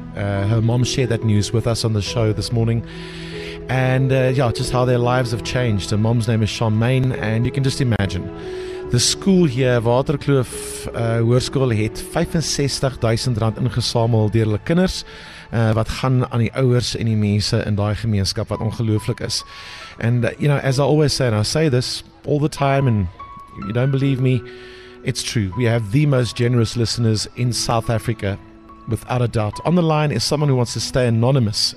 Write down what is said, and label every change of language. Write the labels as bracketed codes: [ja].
[en] Her mom shared that news with us on the show this morning. And just how their lives have changed. Her mom's name is Charmaine, and you can just imagine. The school here, [af] Waterkloof Hoërskool, het 65,000 rand ingesamel deur hulle kinders, wat gaan aan die ouers en die mense in die gemeenskap, wat ongelooflik is. [en] And, you know, as I always say, and I say this all the time, and you don't believe me, it's true. We have the most generous listeners in South Africa, without a doubt. On the line is someone who wants to stay anonymous.